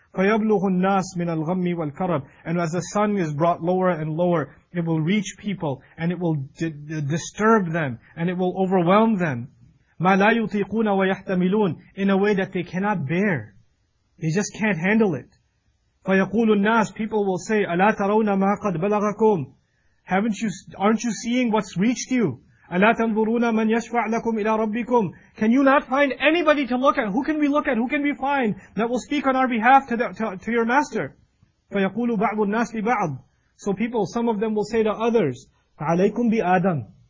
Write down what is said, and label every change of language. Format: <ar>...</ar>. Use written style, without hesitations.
<ar>فَيَبْلُغُ النَّاسِ مِنَ الْغَمِّ وَالْكَرَبِ.</ar> <en>And as the sun is brought lower and lower, it will reach people, and it will disturb them, and it will overwhelm them.</en> <ar>مَا لَا يُطِيقُونَ وَيَحْتَمِلُونَ,</ar> <en>in a way that they cannot bear. They just can't handle it.</en> <ar>فَيَقُولُ النَّاسِ,</ar> <en>people will say,</en> <ar>أَلَا تَرَوْنَ مَا قَدْ بَلَغَكُمْ.</ar> <en>Aren't you seeing what's reached you?</en> <ar>أَلَا تَنْظُرُونَ مَنْ يَشْفَعْ لَكُمْ إِلَىٰ رَبِّكُمْ.</ar> <en>Can you not find anybody to look at? Who can we look at? Who can we find that will speak on our behalf to your master?</en> <ar>فَيَقُولُ بَعْضُ النَّاسِ لِبَعْضٍ.</ar> <en>So people, some of them will say to others,</en> <ar>عَلَيْكُمْ بِآدَمْ.</ar>